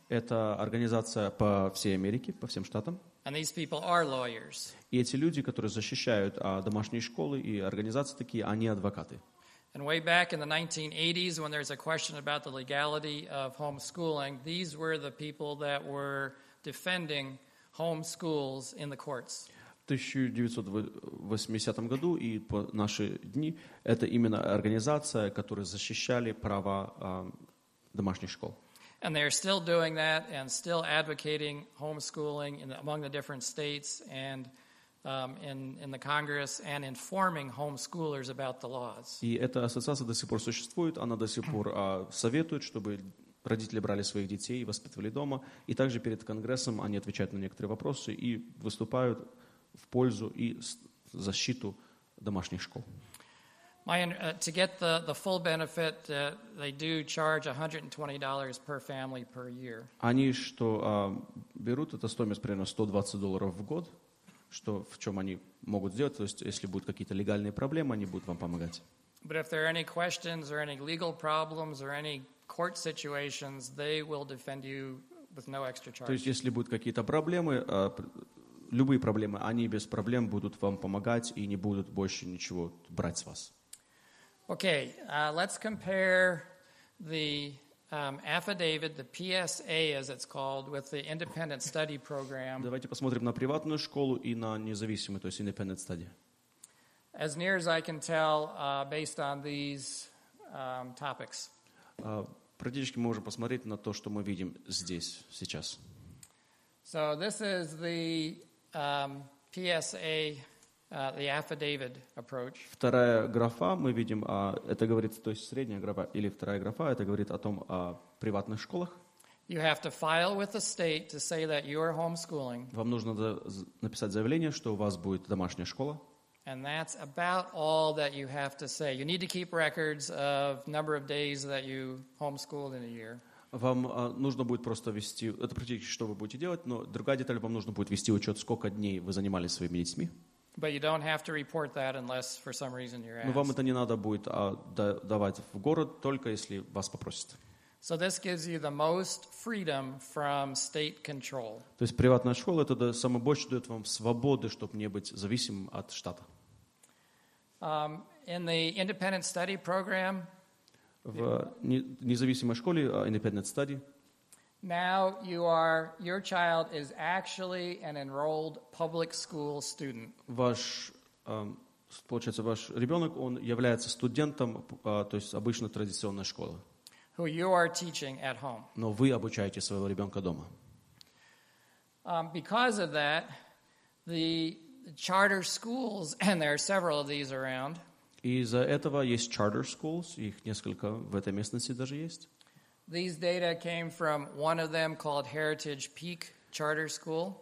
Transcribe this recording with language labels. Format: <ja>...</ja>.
<ru>Это организация по всей Америке, по всем штатам.</ru> <en>And these people are lawyers.</en> <ru>И эти люди, которые защищают домашние школы и организации такие, они адвокаты.</ru> <en>And way back in the 1980s, when there's a question about the legality of homeschooling, these were the people that were defending homeschools in the courts.</en> <ru>В 1980 году и по наши дни это именно организация, которая защищали права домашних школ.</ru> <en>And they are still doing that and still advocating homeschooling among the different states and in the Congress and informing homeschoolers about the laws.</en> <ru>И эта ассоциация до сих пор существует, она до сих пор советует, чтобы родители брали своих детей и воспитывали дома, и также перед Конгрессом они отвечают на некоторые вопросы и выступают в пользу и защиту домашних школ.</ru> <en>To get the full benefit, they do charge $120 per family per year.</en> <ru>Они что берут, это стоимость примерно $120 в год, что в чем они могут сделать, то есть если будут какие-то легальные проблемы, они будут вам помогать.</ru> <en>But if there are any questions or any legal problems or any court situations, they will defend you with no extra charge.</en> <ru>То есть если будут какие-то проблемы, любые проблемы, они без проблем будут вам помогать и не будут больше ничего брать с вас.</ru> <en>Okay, let's compare the affidavit, the PSA as it's called, with the independent study program.</en> <ru>Давайте посмотрим на приватную школу и на независимую, то есть</ru> <en>independent study. As near as I can tell, based on these topics.</en> <ru>Практически мы можем посмотреть на то, что мы видим здесь сейчас.</ru> <en>So this is the PSA, the affidavit approach.</en> <ru>Вторая графа мы видим, это говорит, то есть средняя графа или вторая графа, это говорит о том, о приватных школах.</ru> <en>You have to file with the state to say that you are homeschooling.</en> <ru>Вам нужно написать заявление, что у вас будет домашняя школа.</ru> <en>And that's about all that you have to say. You need to keep records of number of days that you homeschooled in a year.</en> <ru>Вам нужно будет просто вести, это практически, что вы будете делать, но другая деталь, вам нужно будет вести учет, сколько дней вы занимались своими детьми.</ru> <en>But you don't have to report that unless for some reason you're asked.</en> <ru>Но вам это не надо будет давать в город, только если вас попросят.</ru> <en>So this gives you the most freedom from state control.</en> <ru>То есть приватная школа это самое больше дает вам свободы, чтобы не быть зависимым от штата.</ru> <en>In the independent study program.</en> <ru>В независимой школе</ru> <en>independent study. Now your child is actually an enrolled public school student.</en> <ru>Ваш получается ваш ребенок он является студентом, то есть обычно традиционной школы.</ru> <en>Who you are teaching at home.</en> <ru>Но вы обучаете своего ребенка дома.</ru> <en>Because of that, the charter schools, and there are several of these around.</en> <ru>Из-за этого есть</ru> <en>charter schools,</en> <ru>их несколько в этой местности даже есть.</ru> <en>These data came from one of them called Heritage Peak Charter School.</en>